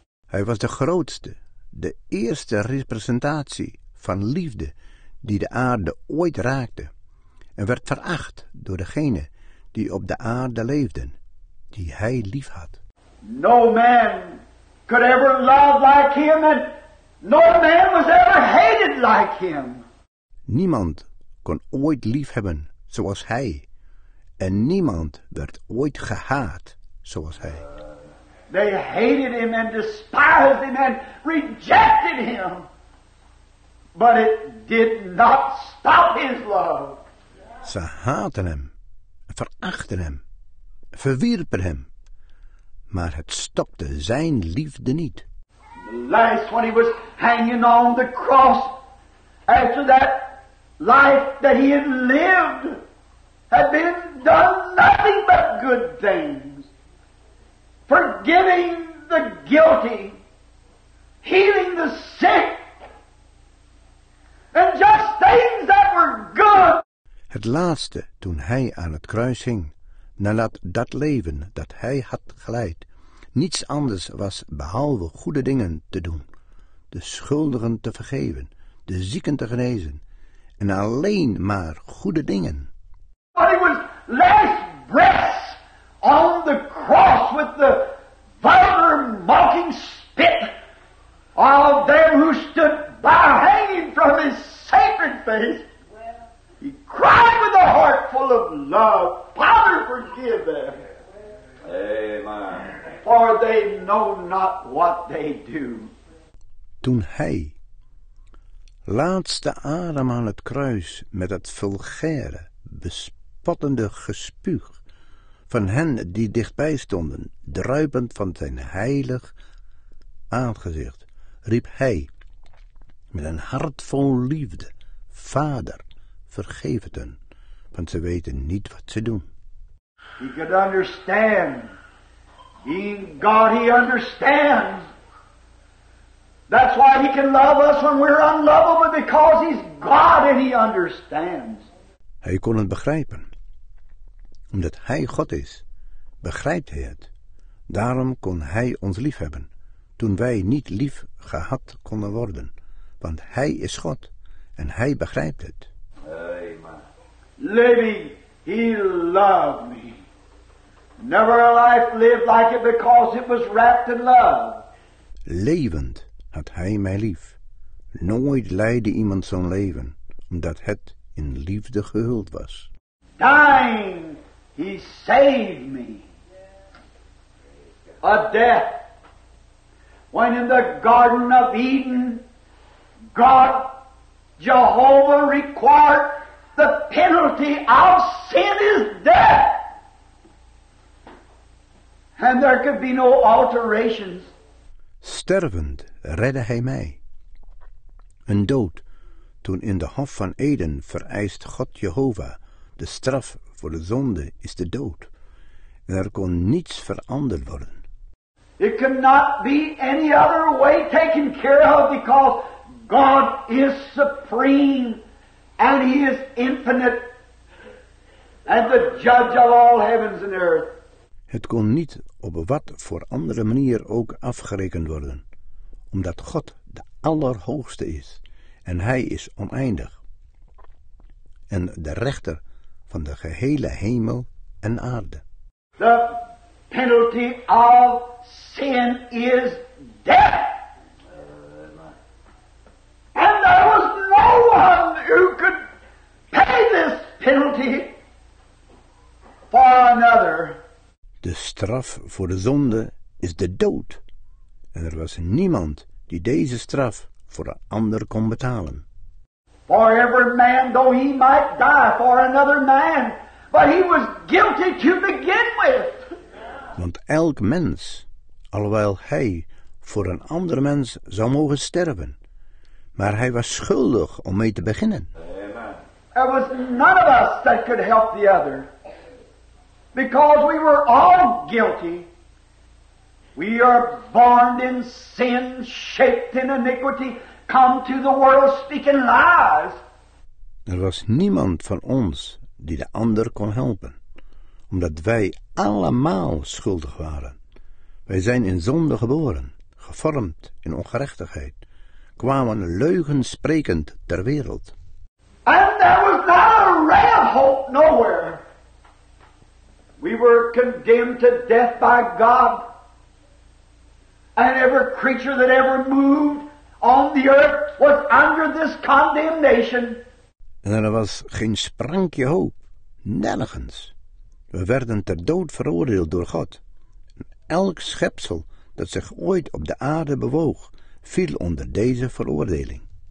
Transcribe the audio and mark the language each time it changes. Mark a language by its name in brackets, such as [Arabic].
[Dutch] Hij was de grootste, de eerste representatie van liefde die de aarde ooit raakte, en werd veracht door degene die op de aarde leefden, die hij lief had. [English] No man could ever love like him, and no man was ever hated like him. [Dutch] Niemand kon ooit lief hebben zoals hij, en niemand werd ooit gehaat zoals hij. [English] They hated him and despised him and rejected him, but it did not stop his love. [Dutch] Ze haatten hem, verachten hem, verwierpen hem, maar het stopte zijn liefde niet. [English] The last when he was hanging on the cross, after that life that he had lived had been done nothing but good things. Forgiving the guilty, healing the sick, and just things that were good. [Dutch] Het laatste toen hij aan het kruis hing, nadat dat leven dat hij had geleid, niets anders was behalve goede dingen te doen, de schuldigen te vergeven, de zieken te genezen, en alleen maar goede dingen. [English] But it was last breath on the cross with the vulgar mocking spit of them who stood by hanging from his sacred face. He cried with a heart full of love, Father, forgive them. Amen. For they know not what they do. [Dutch] Toen hij laatste adem aan het kruis met het vulgaire, bespottende gespuug van hen die dichtbij stonden, druipend van zijn heilig aangezicht, riep hij met een hart vol liefde, Vader, vergeef het hen, want ze weten niet wat ze doen. [English] He could understand, being God, he understands. That's why he can love us when we're unlovable, because he's God and he understands. [Dutch] Hij kon het begrijpen. Omdat hij God is, begrijpt hij het. Daarom kon hij ons lief hebben, toen wij niet lief gehad konden worden. Want hij is God en hij begrijpt het. [English] Living, he loved me. Never a life lived like it, because it was wrapped in love. [Dutch] Levend had hij mij lief. Nooit leidde iemand zo'n leven, omdat het in liefde gehuld was. [English] Dying, he saved me. A death. When in the Garden of Eden, God, Jehovah, required the penalty of sin is death. And there could be no alterations. [Dutch] Stervend redde hij mij. Een dood, toen in de Hof van Eden vereist God Jehovah, de straf voor de zonde is de dood. En er kon niets veranderd worden. [English] It cannot be any other way taken care of, because God is supreme. And he is infinite, and the judge of all heavens and earth. [Dutch] Het kon niet op wat voor andere manier ook afgerekend worden, omdat God de Allerhoogste is, en hij is oneindig, en de rechter van de gehele hemel en aarde. [English] The penalty of sin is death. And there was no one who could pay this penalty for another. [Dutch] De straf voor de zonde is de dood. En er was niemand die deze straf voor een ander kon betalen. [English] For every man, though he might die for another man, but he was guilty to begin with. [Dutch] Want elk mens, alhoewel hij voor een ander mens zou mogen sterven, maar hij was schuldig om mee te beginnen. [English] There was none of us that could help the other, because we were all guilty. We are born in sin, shaped in iniquity, come to the world speaking lies. [Dutch] Er was niemand van ons die de ander kon helpen, omdat wij allemaal schuldig waren. Wij zijn in zonde geboren, gevormd in ongerechtigheid, kwamen leugen sprekend ter wereld. [English] And there was not a ray of hope nowhere. We were condemned to death by God. And every creature that ever moved on the earth was under this condemnation. [Dutch] En er was geen sprankje hoop, nergens. We werden ter dood veroordeeld door God. Elk schepsel dat zich ooit op de aarde bewoog, viel onder deze veroordeling.